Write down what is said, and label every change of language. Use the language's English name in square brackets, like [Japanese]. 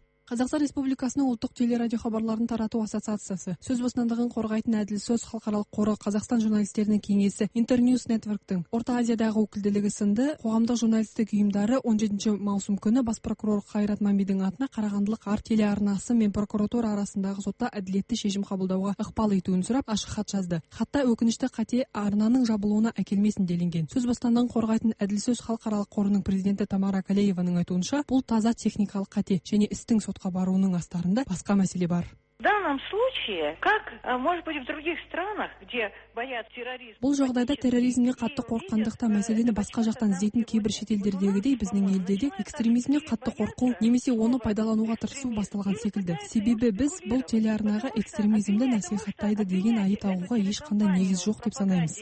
[Kazakh] Қазақстан Республикасының ұлттық телерадио хабарларын тарату ассоциациясы, сөз бостандығын қорғайтын әділ сөз халықаралық қоры, Қазақстан журналистерінің кеңесі, Интерньюс Нетворктің Орта Азиядағы өкілдігі сынды қоғамдық журналистік ұйымдары 17 маусым күні бас прокурор Қайрат Мамидің атына Қарағандылық арт телеарнасы мен прокуратура арасындағы сотта әділетті шешім қабылдауға ықпал етуін сұрап ашық хат жазды. Хатта өкінішті қате арнаның жабылуына әкелмесін делінген. Сөз бостандығын қорғайтын әділ сөз халықаралық қорының президенті Тамара Калееваның айтуынша, бұл таза техникалық қате және істің сотқа баруының астарында басқа мәселе бар. [Russian] В данном случае, как, может быть, в других странах, где боятся терроризма. [Kazakh] Бұл жағдайда терроризмге қатты қорққандықта мәселені басқа жақтан іздейтін кейбір шетелдердегідей біздің елде де экстремизмге қатты қорқу немесе оны пайдалануға тырысу басталған секілді. Себебі біз бұл телеарнаға экстремизмді насихаттайды деген айып тағуға ешқандай негіз жоқ деп санаймыз.